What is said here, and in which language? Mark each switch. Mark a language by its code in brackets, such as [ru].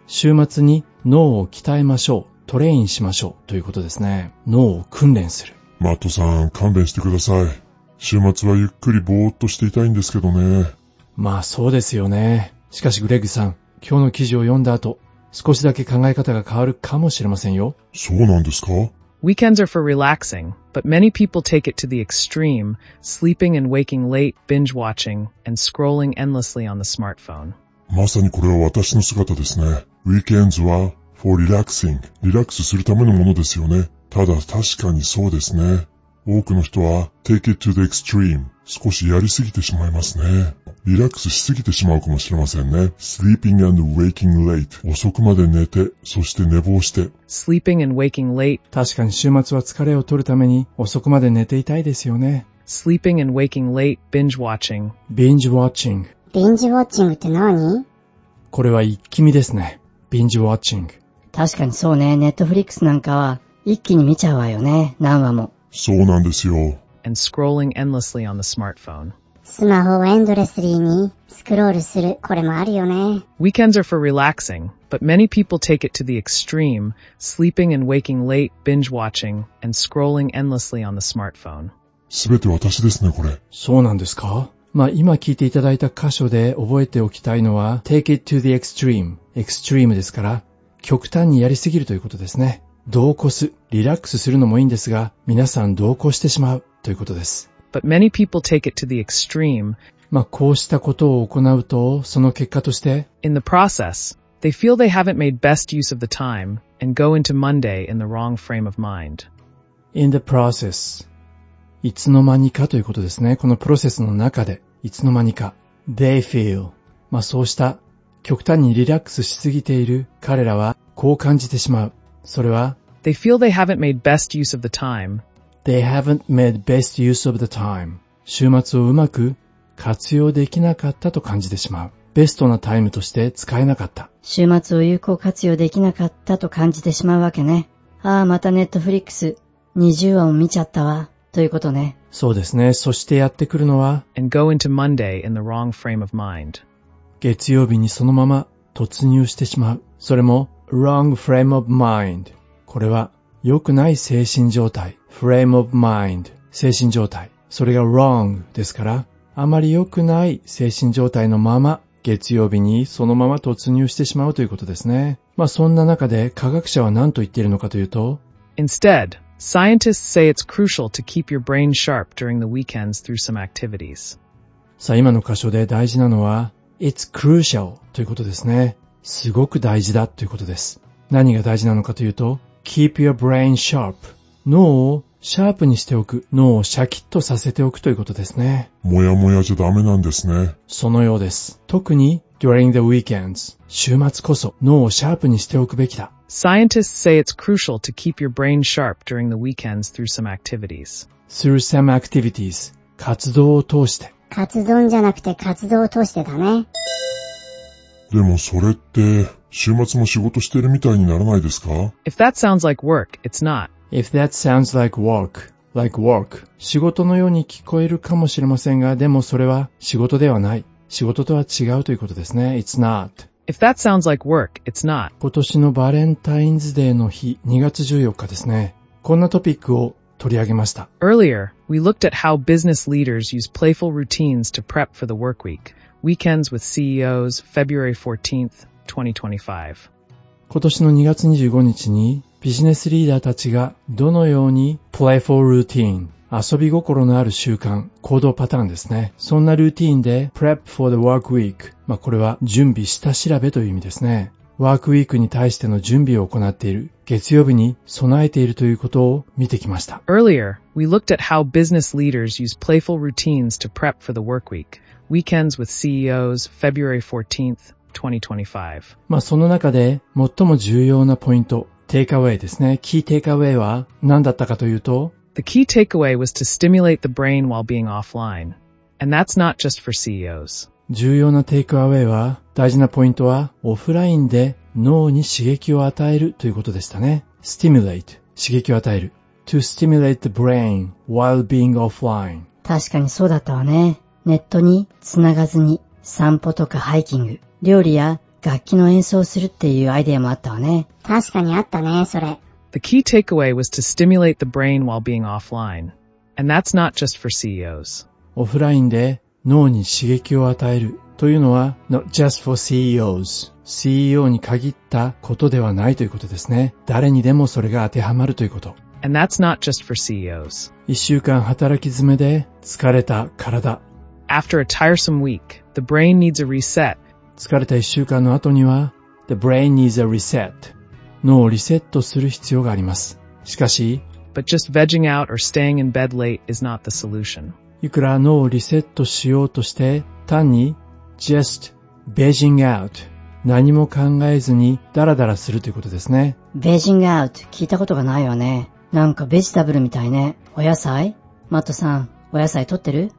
[ja] 週末に脳を鍛えましょう。トレインしましょうということですね。脳を訓練する。マットさん、勘弁してください。週末はゆっくりぼーっとしていたいんですけどね。まあそうですよね。しかしグレッグさん、今日の記事を読んだ後、少しだけ考え方が変わるかもしれませんよ。そうなんですか？ [en] Weekends are for relaxing, but many people take it to the extreme, sleeping and waking late, binge watching, and scrolling endlessly on the smartphone. [ja] まさにこれは私の姿ですね。Weekends は [en] for relaxing, [ja] リラックスするためのものですよね。ただ確かにそうですね。多くの人は [en] take it to the extreme, [ja] 少しやりすぎてしまいますね。リラックスしすぎてしまうかもしれませんね。 [en] Sleeping and waking late. [ja] 遅くまで寝て、そして寝坊して。 [en] Sleeping and waking late. [ja] 確かに週末は疲れを取るために遅くまで寝ていたいですよね。 [en] Sleeping and waking late. Binge watching. Binge watching. [ja] Binge watching って何？これは一気見ですね。Binge watching. 確かにそうね。 Netflix なんかは一気に見ちゃうわよね。何話も。そうなんですよ。 [en] And scrolling endlessly on the smartphone. [ja] スマホをエンドレスリーにスクロールする、これもあるよね。 [en] Weekends are for relaxing, but many people take it to the extreme, sleeping and waking late, binge watching, and scrolling endlessly on the smartphone. [ja] 全て私ですね、これ。そうなんですか？まあ今聞いていただいた箇所で覚えておきたいのは、 [en] take it to the extreme, [ja] extreme ですから、極端にやりすぎるということですね。度を越す、リラックスするのもいいんですが、皆さん度を越してしまうということです。 [en] But many people take it to the extreme. [ja] まあこうしたことを行うと、その結果として、 [en] in the process, they feel they haven't made best use of the time and go into Monday in the wrong frame of mind. In the process, [ja] いつの間にかということですね。このプロセスの中で、いつの間にか、 [en] they feel, [ja] まあそうした極端にリラックスしすぎている彼らはこう感じてしまう。それは、 [en] they feel they haven't made best use of the time. They haven't made best use of the time. [ja] 週末をうまく活用できなかったと感じてしまう。ベストなタイムとして使えなかった。週末を有効活用できなかったと感じてしまうわけね。ああ、またネットフリックス20話を見ちゃったわ。ということね。そうですね。そしてやってくるのは、 [en] And go into Monday in the wrong frame of mind. [ja] 月曜日にそのまま突入してしまう。それも、 [en] wrong frame of mind. [ja] これは、良くない精神状態。 frame of mind 精神状態。それが wrong ですから、あまり良くない精神状態のまま、月曜日にそのまま突入してしまうということですね。まあそんな中で科学者は何と言っているのかというと、 [en] Instead, scientists say it's crucial to keep your brain sharp during the weekends through some activities. [ja] さあ今の箇所で大事なのは、 [en] it's crucial [ja] ということですね。すごく大事だということです。何が大事なのかというと、 [en] keep your brain sharp。 [ja] 脳をシャープにしておく、脳をシャキッとさせておくということですね。もやもやじゃダメなんですね。そのようです。特に [en] during the weekends、 [ja] 週末こそ脳をシャープにしておくべきだ。 [en] Scientists say it's crucial to keep your brain sharp during the weekends through some activities. Through some activities、 [ja] 活動を通して。活動じゃなくて活動を通してだね。でもそれって週末も仕事してるみたいにならないですか？ [en] If that sounds like work, it's not. If that sounds like work, [ja] 仕事のように聞こえるかもしれませんが、でもそれは仕事ではない。仕事とは違うということですね。 [en] It's not. If that sounds like work, it's not. [ja] 今年のバレンタインズデーの日、2月14日ですね。こんなトピックを取り上げました。 [en] Earlier, we looked at how business leaders use playful routines to prep for the work week. Weekends with CEOs, February 14th, 2025. [ja] 今年の2月25日に、ビジネスリーダーたちがどのように [en] playful routine [ja] 遊び心のある習慣、行動パターンですね。そんなルーティーンで [en] prep for the work week、 [ja] まあこれは準備下調べという意味ですね。ワークウィークに対しての準備を行っている月曜日に備えているということを見てきました。 [en] Earlier, we looked at how business leaders use playful routines to prep for the work week. Weekends with CEOs, February 14th, 2025. [ja] まあその中で最も重要なポイント、テイクアウェイですね。キーテイクアウェイは何だったかというと、 [en] The key takeaway was to stimulate the brain while being offline. And that's not just for CEOs. [ja] 重要なテイクアウェイは、大事なポイントは、オフラインで脳に刺激を与えるということでしたね。 stimulate、刺激を与える。 [en] to stimulate the brain while being offline. [ja] 確かにそうだったわね。ネットに繋がずに、散歩とかハイキング、料理や楽器の演奏をするっていうアイデアもあったわね。確かにあったね、それ。 [en] The key takeaway was to stimulate the brain while being offline. And that's not just for CEOs. [ja] オフラインで脳に刺激を与えるというのは [en] not just for CEOs. [ja] CEO に限ったことではないということですね。誰にでもそれが当てはまるということ。 [en] And that's not just for CEOs. [ja] 一週間働き詰めで疲れた体。 [en] After a tiresome week, the brain needs a reset. [ja] 疲れた一週間の後には [en] the brain needs a reset. [ja] 脳をリセットする必要があります。しかし、 [en] But just vegging out or staying in bed late is not the solution. [ja] いくら脳をリセットしようとして、単に [en] just vegging out [ja] 何も考えずにダラダラするということですね。 Vegging out 聞いたことがないよね。なんかベジタブルみたいね。お野菜？マットさん、お野菜取ってる？